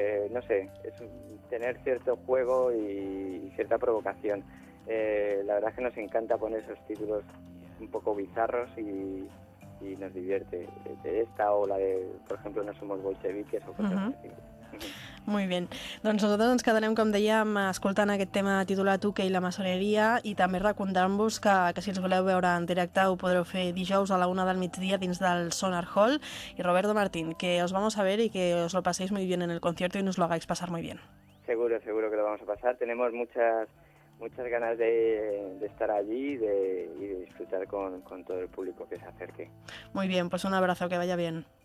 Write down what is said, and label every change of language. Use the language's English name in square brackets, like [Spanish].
[Spanish] No sé, es tener cierto juego y cierta provocación. La verdad es que nos encanta poner esos títulos un poco bizarros y nos divierte. De esta o la de, por ejemplo, No Somos Bolcheviques o cosas así. Muy bien. [Catalan] Doncs nosaltres ens quedarem, com dèiem, escoltant aquest tema titulat Uke i la maçoneria i també recomanant-vos que si ens voleu veure en directe ho podreu fer dijous a la una del migdia dins del Sonar Hall. [Spanish] I Roberto Martín, que os vamos a ver y que os lo paséis muy bien en el concierto y nos lo hagáis pasar muy bien. Seguro que lo vamos a pasar. Tenemos muchas ganas de estar allí y de disfrutar con todo el público que se acerque. Muy bien, pues un abrazo, que vaya bien.